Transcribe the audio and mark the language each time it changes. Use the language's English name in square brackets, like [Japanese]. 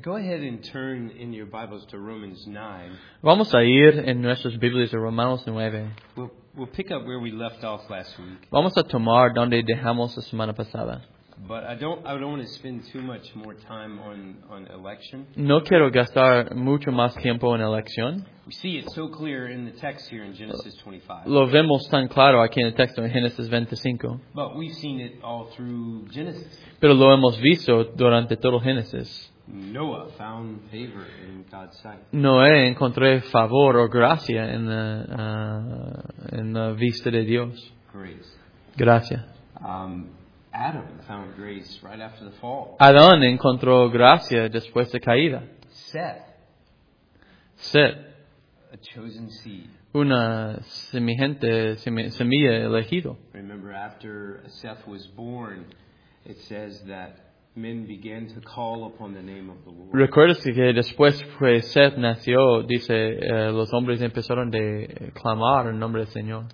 [English] Go ahead and turn in your Bibles to Romans 9. [Spanish] Vamos a ir en nuestras Biblias a Romanos 9. [English] We'll pick up where we left off last week. [Spanish] Vamos a tomar donde dejamos la semana pasada. [English] But I don't want to spend too much more time on election. [Spanish] No quiero gastar mucho más tiempo en elección. [English] We see it so clear in the text here in Genesis 25. [Spanish] Lo vemos tan claro aquí en el texto en Genesis 25. [English] But we've seen it all through Genesis. [Spanish] Pero lo hemos visto durante todo Génesis. [English] Noah found favor in God's sight. [Spanish] Noé encontré favor o gracia en la vista de Dios. [English] Grace. [Spanish] Gracia. [English] Adam found grace right after the fall. [Spanish] Adán encontró gracia después de caída. [English] Seth. A chosen seed. [Spanish] Una semilla elegido. [English] Remember, after Seth was born, it says that men began to call upon the name of the Lord. [Spanish] Recuerdas que después que Seth nació, dice, los hombres empezaron de clamar el nombre del Señor.